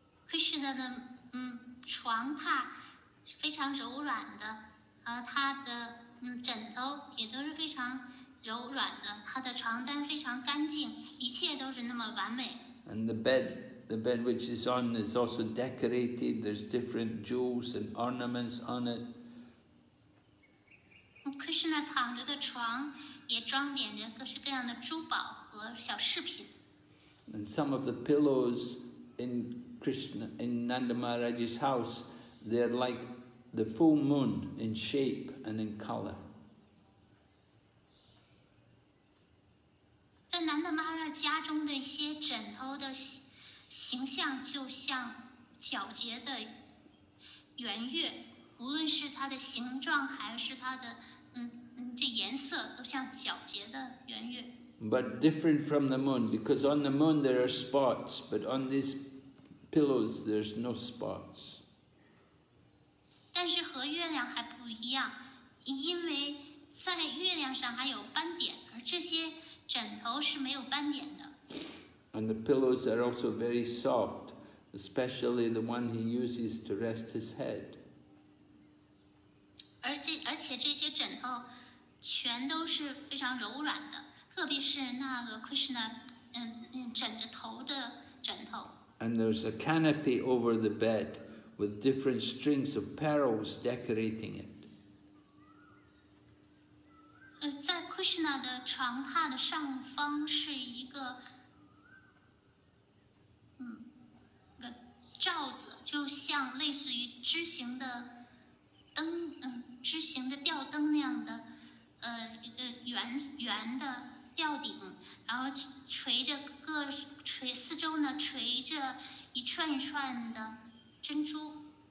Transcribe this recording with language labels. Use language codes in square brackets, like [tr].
[zh] Krishna 的床榻非常柔软的，他的枕头也都是非常柔软的，他的床单非常干净，一切都是那么完美。 [en] And the bed which is on is also decorated. There's different jewels and ornaments on it. [zh] Krishna 躺着的床也装点着各式各样的珠宝和小饰品。 [en] And some of the pillows in Nanda Maharaj's house, they're like the full moon in shape and in color. [zh] 在 Nanda Maharaj 家中的一些枕头的形象就像皎洁的圆月，无论是它的形状还是它的这颜色都像皎洁的圆月。 [en] But different from the moon, because on the moon there are spots, but on these pillows there's no spots. [zh] 但是和月亮还不一样，因为在月亮上还有斑点，而这些枕头是没有斑点的。 [en] And the pillows are also very soft, especially the one he uses to rest his head. [zh] 而且这些枕头全都是非常柔软的，特别是那个 Krishna 枕着头的枕头。 [en] And there's a canopy over the bed with different strings of pearls decorating it. [zh] 在 Krishna 的床榻的上方是一个罩子，就像类似于枝形的灯枝形的吊灯那样的一个圆的吊顶，然后四周呢垂着一串一串的珍珠。